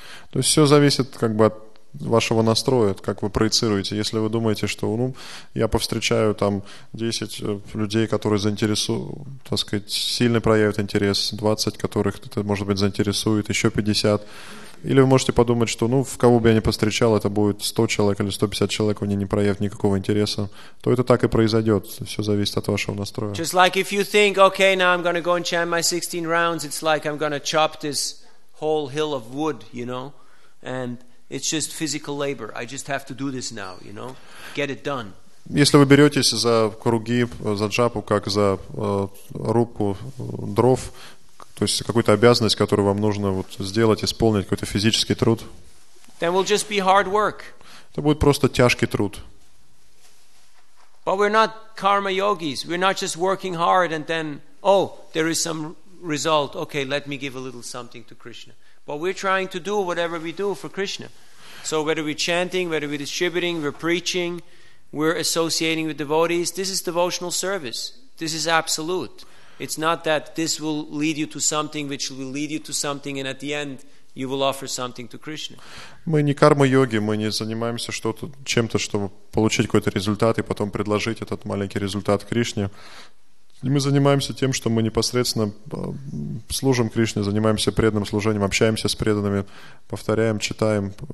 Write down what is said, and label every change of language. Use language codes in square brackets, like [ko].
[ru] То есть все зависит как бы от вашего настроя, как вы проецируете. Если вы думаете, что ну я повстречаю там 10 людей, которые заинтересуют, так сказать, сильно проявят интерес, 20 которых это может быть заинтересует, еще 50. Или вы можете подумать, что ну в кого бы я ни повстречал, это будет 100 человек или 150 человек, они не проявят никакого интереса, то это так и произойдет. Все зависит от вашего настроя. [en] Just like if you think, okay, now I'm going to go and chant my 16 rounds, it's like I'm going to chop this whole hill of wood, you know, and it's just physical labor. I just have to do this now, you know, get it done. [ru] Если вы беретесь за круги, за джапу, как за рубку дров, то есть какую-то обязанность, которую вам нужно вот сделать, исполнить какой-то физический труд. [en] Then we'll just be hard work. [ru] Это будет просто тяжкий труд. [en] But we're not karma yogis. We're not just working hard and then, oh, there is some result, okay, let me give a little something to Krishna. But we're trying to do whatever we do for Krishna. So whether we're chanting, whether we're distributing, we're preaching, we're associating with devotees, this is devotional service. This is absolute. It's not that this will lead you to something which will lead you to something and at the end you will offer something to Krishna. [ru] Мы не карма-йоги, мы не занимаемся что-то, чем-то, чтобы получить какой-то результат и потом предложить этот маленький результат Кришне. Мы занимаемся тем, что мы непосредственно служим Кришне, занимаемся преданным служением, общаемся с преданными, повторяем, читаем.